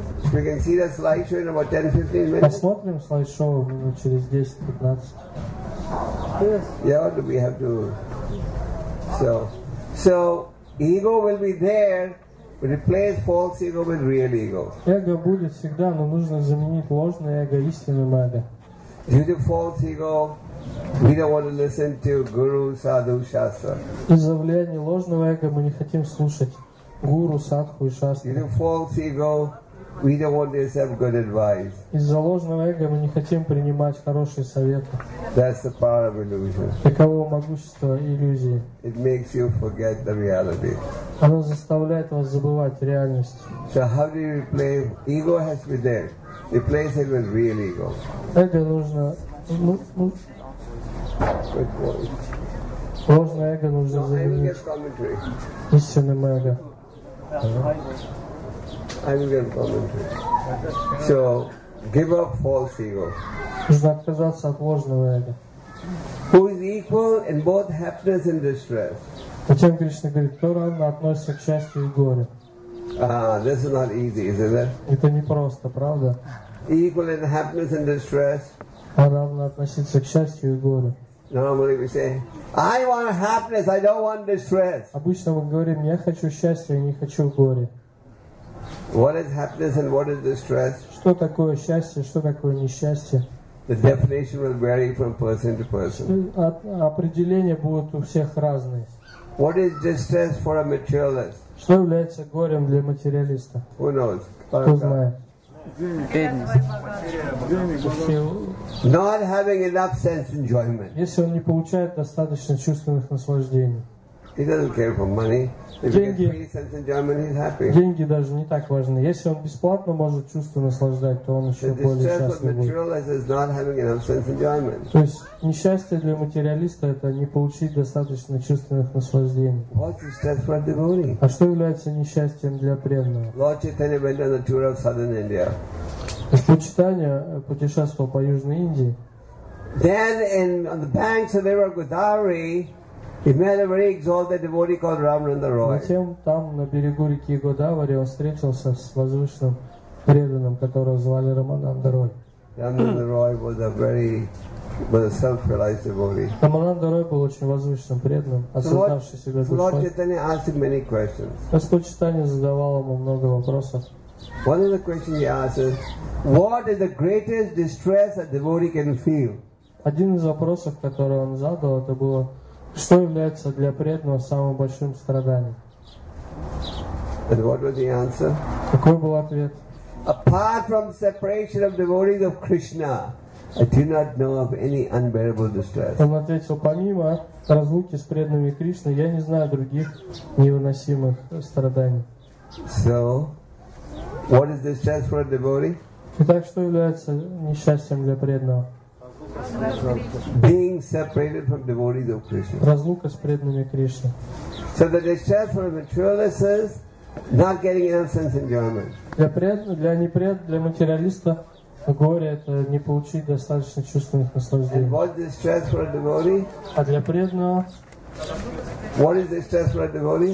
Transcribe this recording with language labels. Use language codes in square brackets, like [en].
[en] We can see the slideshow in about 10-15 minutes. [ru] Посмотрим слайд-шоу через 10-15. [en] Yes. Yeah, we have to. So ego will be there. Replace false ego with real ego. [ru] Эго будет всегда, но нужно заменить ложное эго истинным эго. [en] Due to false ego, we don't want to listen to guru, sadhu, shastra. [ru] Из-за влияния ложного эго мы не хотим слушать гуру, садху и шастру. [en] Due to false ego, we don't want to accept good advice. [ru] Из-за ложного эго мы не хотим принимать хорошие советы. [en] That's the power of illusion. [ru] Таково могущество иллюзии. [en] It makes you forget the reality. [ru] Оно заставляет вас забывать реальность. [en] So how do you replace ego? Has to be there. Replace it with real ego. [ru] Эго нужно. [en] Good boy. [ru] Ложное эго нужно заменить истинным эго. [en] I'm going to comment. So, give up false ego. [ru] Нужно отказаться от ложного эго. [en] Who is equal in both happiness and distress? [ru] Зачем Кришна говорит, кто равно относится к счастью и горе? [en] This is not easy, isn't it? [ru] Это не просто, правда? [en] Equal in happiness and distress. [ru] Равно относиться к счастью и горе. [en] Normally we say, I want happiness, I don't want distress. [ru] Обычно мы говорим, я хочу счастья, я не хочу горе. [en] What is happiness and what is distress? [ru] Что такое счастье, что такое несчастье? [en] The definition will vary from person to person. [ru] Определения будут у всех разные. [en] What is distress for a materialist? [ru] Что является горем для материалиста? [en] Who knows? [ru] Кто знает? Бедность. [en] Not having enough sense enjoyment. [ru] Если он не получает достаточно чувственных наслаждений. [en] He doesn't care for money. If [ru] деньги, [en] he gets free sense enjoyment, he's happy. [ru] Деньги даже не так важны. Если он бесплатно может чувство наслаждать, то он еще более счастлив. То есть несчастье для материалиста – это не получить достаточно чувственных наслаждений. [en] What's the stress for devotee? [ru] А что является несчастьем для преданного? [en] Lord Chaitanya went on a tour of southern India. [ru] Господь Читания путешествовал по Южной Индии. [en] Then on the banks of the river Godavari, he met a very exalted devotee called Ramananda Roy. [ru] Затем там на берегу реки Годавари он встретился с возвышенным преданным, которого звали Рамананда Рой. [en] Ramananda Roy was a self-realized devotee. [ru] Рамананда Рой был очень возвышенным преданным, осознавший себя душой. [en] Lord Chaitanya asked him many questions. [ru] Господь Читания задавал ему много вопросов. [en] One of the questions he asked is, what is the greatest distress a devotee can feel? [ru] Один из вопросов, который он задал, это было: что является для преданного самым большим страданием? [en] And what was the answer? [ru] Какой был ответ? [en] Apart from separation of devotees of Krishna, I do not know of any unbearable distress. [ru] Он ответил: помимо разлуки с преданными Кришны, я не знаю других невыносимых страданий. [en] So, what is distress for a devotee? [ru] Итак, что является несчастьем для преданного? [en] Being separated from devotees of Krishna. [ru] Разлука с преданными Кришны. [en] So the distress for a materialist is not getting enough sense enjoyment. [ru] Для материалиста горе это не получить достаточно чувственных наслаждений. [en] And what is distress for a devotee? [ru] А для преданного? [en] What is distress for a devotee?